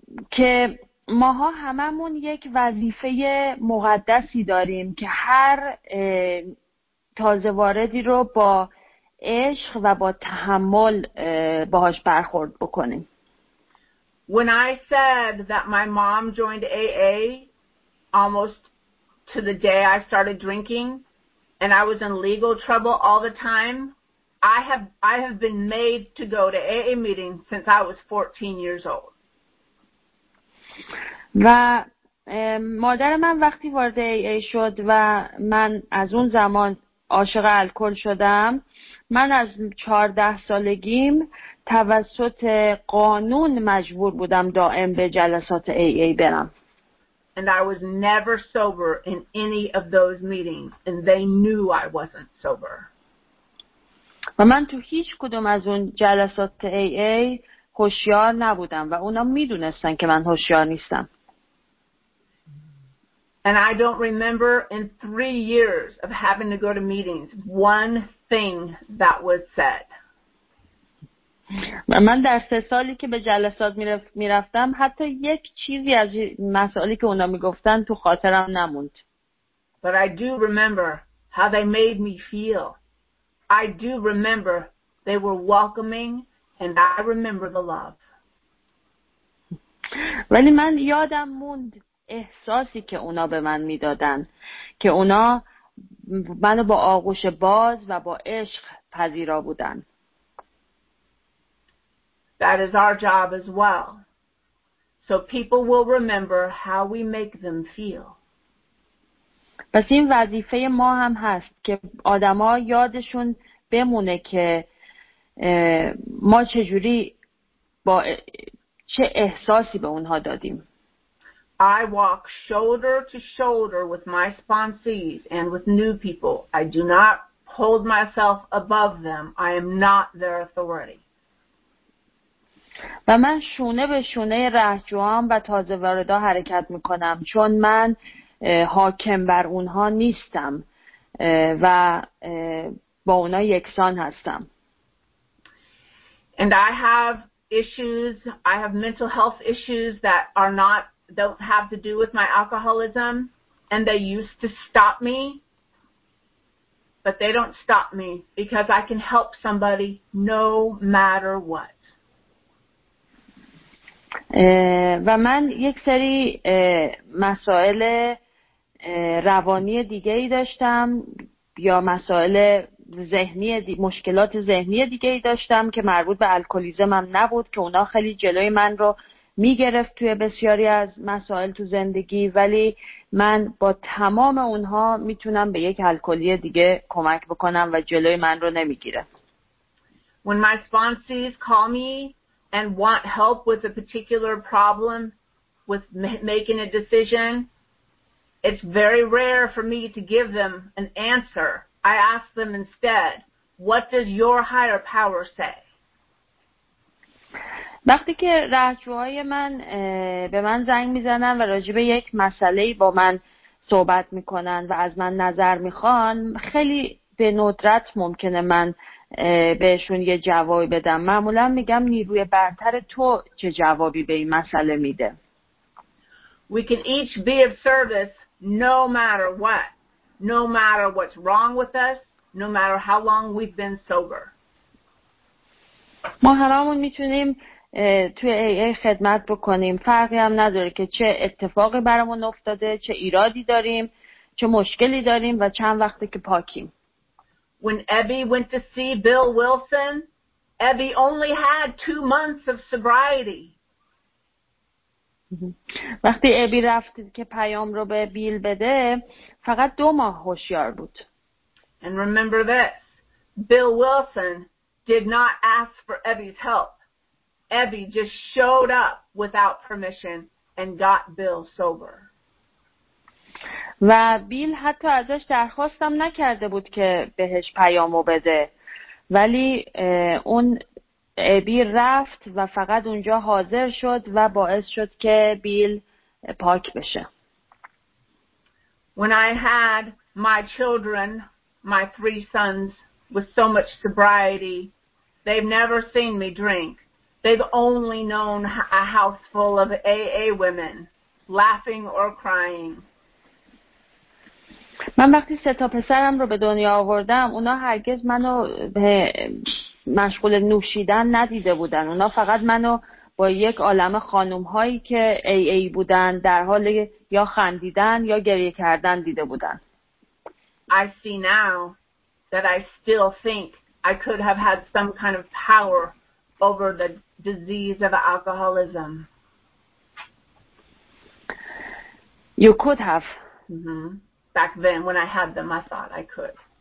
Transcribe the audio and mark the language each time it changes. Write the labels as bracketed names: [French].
[Persian] که ماها هممون یک وظیفه مقدسی داریم که هر تازه واردی رو با عشق و با تحمل باهاش برخورد بکنیم. [English] When I said that my mom joined AA almost to the day I started drinking and I was in legal trouble all the time, I have been made to go to AA meetings since I was 14 years old. [Persian] و مادر من وقتی وارد AA شد و من از اون زمان عاشق الکل شدم، من از 14 سالگیم توسط قانون مجبور بودم دائم به جلسات AA برم. [English] And I was never sober in any of those meetings and they knew I wasn't sober. [Persian] و من تو هیچ کدوم از اون جلسات AA هوشیار نبودم و اونا میدونستن که من هوشیار نیستم. [English] And I don't remember in 3 years of having to go to meetings one thing that was said. [Persian] من در 3 سالی که به جلسات میرفتم حتی یک چیزی از مسائلی که اونا میگفتن تو خاطرم نموند. [English] But I do remember how they made me feel. I do remember they were welcoming and I remember the love. [Persian] ولی من یادم موند احساسی که اونا به من میدادن که اونا منو با آغوش باز و با عشق پذیرا بودن. [English] That is our job as well. So people will remember how we make them feel. [Persian] پس این وظیفه ما هم هست که آدما یادشون بمونه که ما چجوری با چه احساسی به اونها دادیم. [English] I walk shoulder to shoulder with my sponsees and with new people. I do not hold myself above them. I am not their authority. [Persian] و من شونه به شونه رهجوام و تازه واردا حرکت میکنم چون من حاکم بر اونها نیستم و با اونها یکسان هستم. [English] And I have issues, I have mental health issues that are not, don't have to do with my alcoholism, and they used to stop me, but they don't stop me because I can help somebody no matter what. [Persian] و من یک سری مسائل روانی دیگه ای داشتم یا مسائل ذهنی مشکلات ذهنی دیگه ای داشتم که مربوط به الکلیزمم نبود که اونا خیلی جلوی من رو می گرفت توی بسیاری از مسائل تو زندگی، ولی من با تمام اونها میتونم به یک الکلی دیگه کمک بکنم و جلوی من رو نمی گیره. [English] When my sponsees call me and want help with a particular problem with making a decision, it's very rare for me to give them an answer. I ask them instead, what does your higher power say? [Persian] وقتی که رهجوهای من به من زنگ میزنن و راجع به یک مسئله با من صحبت میکنن و از من نظر میخوان، خیلی به ندرت ممکنه من بهشون یه جوابی بدم. معمولا میگم نیروی برتر تو چه جوابی به این مسئله میده. [English] We can each be of service no matter what. No matter what's wrong with us, no matter how long we've been sober. [Persian] ما هممون میتونیم توی AA خدمت بکنیم، فرقی هم نداره که چه اتفاقی برامون افتاده، چه ایرادی داریم، چه مشکلی داریم و چند وقته که پاکیم. [English] When Abby went to see Bill Wilson, Abby only had 2 months of sobriety. [Persian] وقتی ابی رفت که پیام رو به بیل بده، فقط 2 ماه هوشیار بود. [English] And remember this, Bill Wilson did not ask for Abby's help. Abby just showed up without permission and got Bill sober. [Persian] و بیل حتی ازش درخواستم نکرده بود که بهش پیامو بده، ولی اون ابی رفت و فقط اونجا حاضر شد و باعث شد که بیل پاک بشه. [English] When I had my children, my 3 sons, with so much sobriety, they've never seen me drink. They've only known a house full of AA women, laughing or crying. [Persian] من وقتی 3 تا پسرم رو به دنیا آوردم، اونا هرگز منو به مشغول نوشیدن ندیده بودن. اونا فقط منو با یک عالمه خانوم هایی که ای ای بودن در حال یا خندیدن یا گریه کردن دیده بودن. [English] I see now that I still think I could have had some kind of power over the disease of alcoholism. You could have. Back then when I had them, I thought I could.